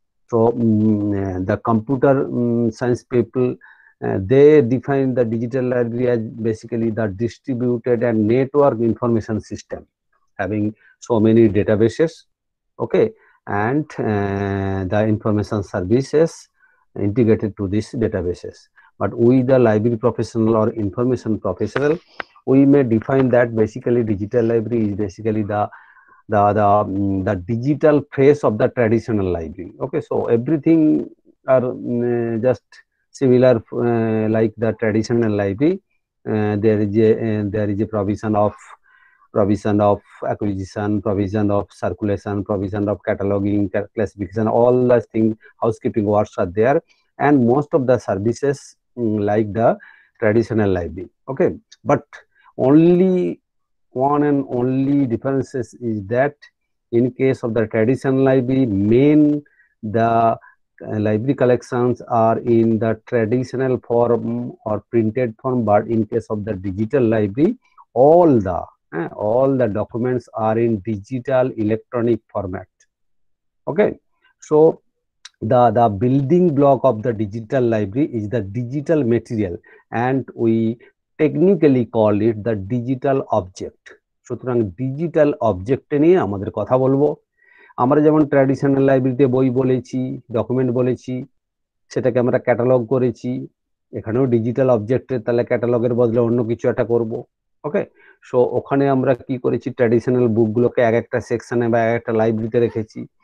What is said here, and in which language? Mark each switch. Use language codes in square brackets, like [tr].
[en] So the computer science people, they define the digital library as basically the distributed and network information system having so many databases, okay, and the information services integrated to this databases. But we the library professional or information professional, we may define that basically digital library is basically the the digital face of the traditional library. Okay, so everything are just similar like the traditional library. There is a provision of acquisition, provision of circulation, provision of cataloging, classification, all those things, housekeeping works are there, and most of the services like the traditional library. Okay, but only one and only differences is that in case of the traditional library, main the library collections are in the traditional form or printed form, but in case of the digital library, all the documents are in digital electronic format. Okay, so the building block of the digital library is the digital material, and we technically call it the digital object. [bn] সুতরাং digital object নিয়ে আমাদের কথা বলবো। আমরা যেমন traditional লাইব্রেরিতে বই বলেছি, ডকুমেন্ট বলেছি, সেটাকে আমরা ক্যাটালগ করেছি, এখানেও ডিজিটাল অবজেক্টের তাহলে ক্যাটালগের বদলে অন্য কিছু একটা করব। ওকে, সো ওখানে আমরা কি করেছি, ট্র্যাডিশনাল বুকগুলোকে এক একটা সেকশনে বা এক একটা লাইব্রেরিতে রেখেছি।